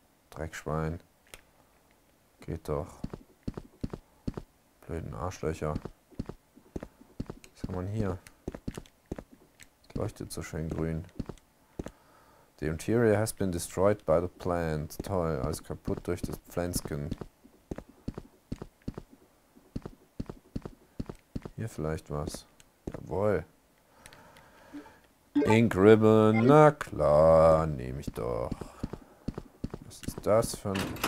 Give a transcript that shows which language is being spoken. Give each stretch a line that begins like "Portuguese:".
German: Dreckschwein. Geht doch. Blöden Arschlöcher. Was haben wir denn hier? Das leuchtet so schön grün.
English: The interior has been destroyed by the plant.
German: Toll, alles kaputt durch das Pflänzchen. Hier vielleicht was. Jawohl. Ink Ribbon, na klar, nehme ich doch. Was ist das für ein...